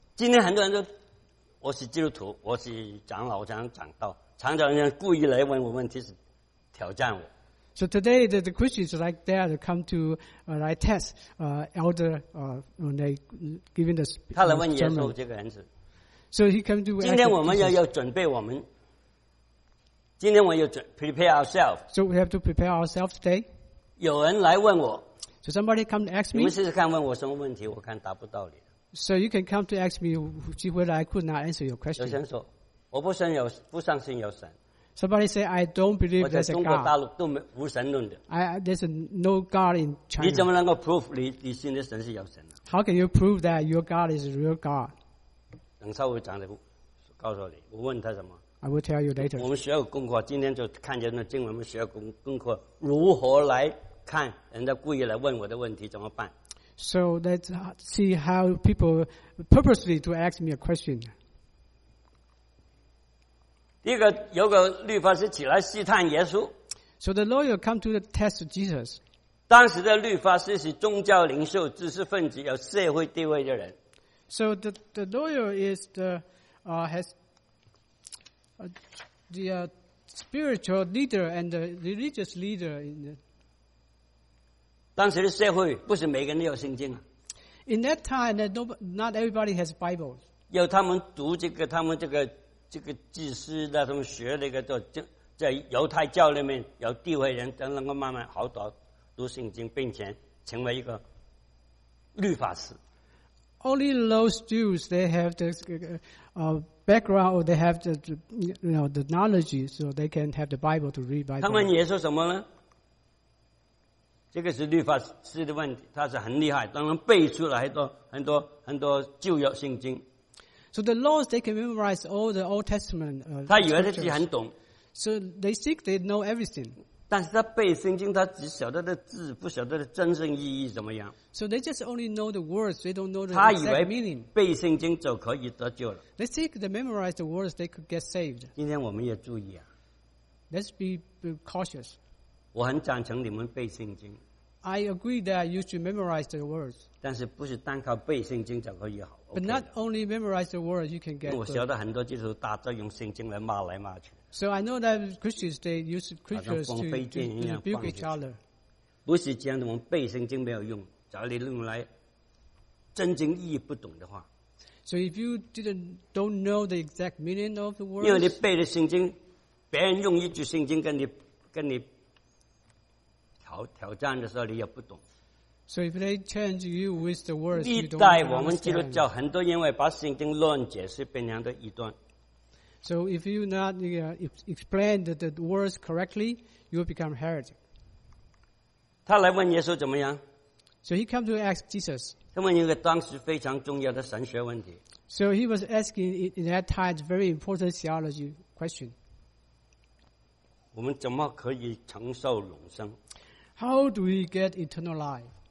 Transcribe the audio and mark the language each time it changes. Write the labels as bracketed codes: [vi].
[zh] 今天很多人都，我是基督徒，我是长老，我常讲道，常常人故意来问我问题，是挑战我。 [en] So today the Christians like that come to like test elder when they giving the sermon. [zh] 他来问耶稣这个人是。 [en] So he come to. [zh] 今天我们要准备我们。今天我要准 [en] prepare ourselves. So we have to prepare ourselves today. [zh] 有人来问我。 [en] So somebody come to ask me. [zh] 你们试试看问我什么问题，我看答不到你。 [en] So you can come to ask me, whether I could not answer your question. [zh] 有些人说，我不相信有神。 [en] Somebody say I don't believe there's a God. [zh] 我在中国大陆都没无神论的。 [en] There's no God in China. [zh] 你怎么能够 prove 你信的神是有神呢？ [en] How can you prove that your God is a real God? [zh] 等稍微讲的，告诉你，我问他什么。 [en] I will tell you later. [zh] 我们学个功课，今天就看见那经文，我们学个功课，如何来。看人家故意来问我的问题怎么办 [en] ？So let's see how people purposely to ask me a question. [zh] 第一个，有个律法师起来试探耶稣。 [en] So the lawyer come to test Jesus. [zh] 当时的律法师是宗教领袖、知识分子、有社会地位的人。 [en] So the lawyer is the has the spiritual leader and the religious leader in the. [zh] 当时的社会不是每个人都有圣经。 [en] In that time, not everybody has Bibles. [zh] 有他们读这个，他们这个祭司的，他们学那个叫在犹太教里面有地位人，才能够慢慢好读圣经，并且成为一个律法师。 [en] Only those Jews they have the background or they have the the knowledge, so they can have the Bible to read Bible. [zh] 他们也说什么呢？这个是律法师的问题，他是很厉害，当然背出来很多很多很多旧约圣经。 [en] So the laws, they can memorize all the Old Testament. [zh] 他以为他自己很懂。 [en] So they think they know everything. [zh] 但是他背圣经，他只晓得的字，不晓得的真正意义怎么样。 [en] So they just only know the words, they don't know the meaning. [zh] 他以为背圣经就可以得救了。 [en] They think they memorize the words, they could get saved. [zh] 今天我们也注意啊。 [en] Let's be cautious. [zh] 我很赞成你们背圣经。 [en] I agree that you should memorize the words. [zh] 但是不是单靠背圣经就可以好。 [en] But not only memorize the words, you can get good. [zh] 我晓得很多基督徒打着用圣经来骂来骂去。 [en] So I know that Christians, they use scriptures to rebuke each other. [zh] 不是这样的，我们背圣经没有用，假如你用来真正意义不懂的话。 [en] So if you don't know the exact meaning of the words. [zh] 因为你背的圣经，别人用一句圣经跟你挑战的时候，你也不懂。 [en] So if they challenge you with the words, [zh] 历代我们基督教很多因为把圣经乱解释，变成的异端。 [en] So if you not explain the words correctly, you will become heretic. [zh] 他来问耶稣怎么样 [en] ？So he came to ask Jesus. [zh] 他问一个当时非常重要的神学问题。 [en] So he was asking in that time very important theology question. [zh] 我们怎么可以承受永生？ [en] How do we get eternal life?